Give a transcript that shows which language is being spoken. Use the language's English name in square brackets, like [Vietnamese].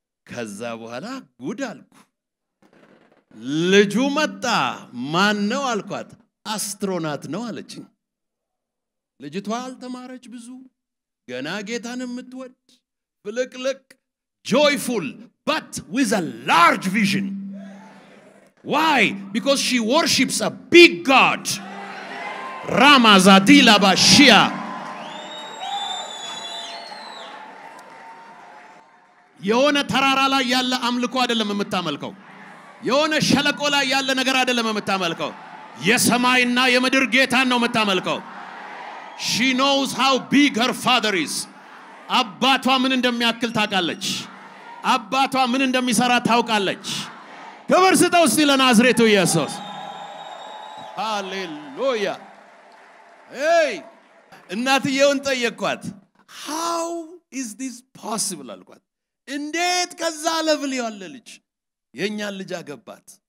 [Amharic] ከዛ በኋላ ጉድ አልኩ. ልጁ መጣ. ማን ነው አልኳት. አስትሮናት ነው አለች. ልጅቷ አልተማረች ብዙ, ገና ጌታን የምትወድ ፍልቅልቅ [English] joyful but with a large vision. Why? Because she worships a big God. Ramazadila bashia. [Amharic] የሆነ ተራራ ላይ ያለ አምልኮ አይደለም የምታመልከው. የሆነ ሸለቆ ላይ ያለ ነገር አይደለም የምታመልከው. የሰማይና የምድር ጌታን ነው የምታመልከው. [English] She knows how big her father is. [Amharic] አባቷ ምን እንደሚያክል ታውቃለች. አባቷ ምን እንደሚሰራ ታውቃለች። ክብር ስጠው እስቲ ለናዝሬቱ ኢየሱስ። ሃሌሉያ። ሄይ እናትየውን ጠየቅኳት። [English] How is this possible [Amharic] አልኳት። እንዴት ከዛ ለብል ያለ ልጅ የኛ ልጅ አገባት?